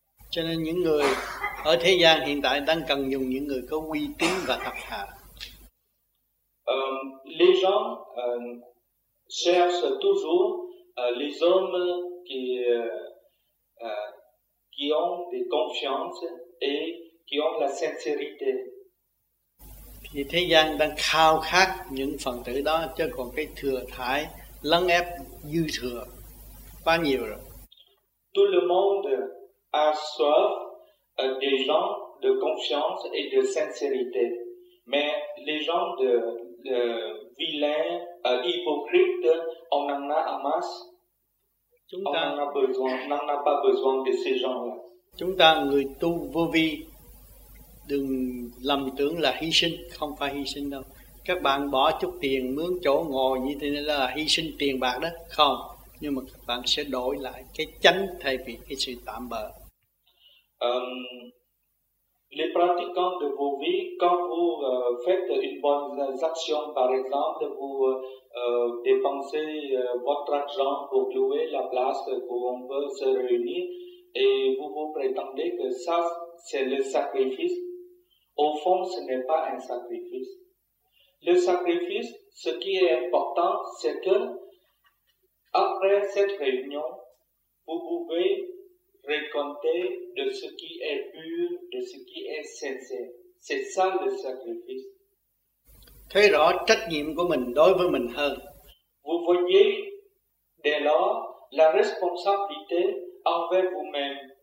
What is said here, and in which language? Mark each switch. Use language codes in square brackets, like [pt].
[vi] Cho nên những người ở thế gian hiện tại đang cần dùng những người có uy tín và thật thà. [fr] Les gens cherchent toujours les hommes qui ont des confiances et qui ont la sincérité. [vi] Thì thế gian đang khao khát những phần tử đó, chứ còn cái thừa thải lấn ép dư thừa quá nhiều rồi. [fr] Tout le monde a soif des gens de confiance et de sincérité, mais les gens de vilains, hypocrites, on en a en masse. On n'en a pas besoin de ces gens-là. [vi] Chúng ta người tu vô vi, đừng lầm tưởng là hy sinh, không phải hy sinh đâu. Các bạn bỏ chút tiền mướn chỗ ngồi như thế này là hy sinh tiền bạc đó, không. Nhưng mà các bạn sẽ đổi lại cái chánh thay vì cái sự tạm bợ. [fr] Les pratiquants de vos vies, quand vous faites une bonne action, par exemple, vous dépensez votre argent pour louer la place où on peut se réunir, et vous vous prétendez que ça, c'est le sacrifice. Au fond, ce n'est pas un sacrifice. Le sacrifice, ce qui est important, c'est que après cette réunion, vous pouvez récolter de ce qui est pur, de ce qui est sincère. C'est ça le sacrifice. [vi] Thấy rõ trách nhiệm của mình đối với mình hơn. [fr] Vous voyez dès lors la responsabilité envers vous-même.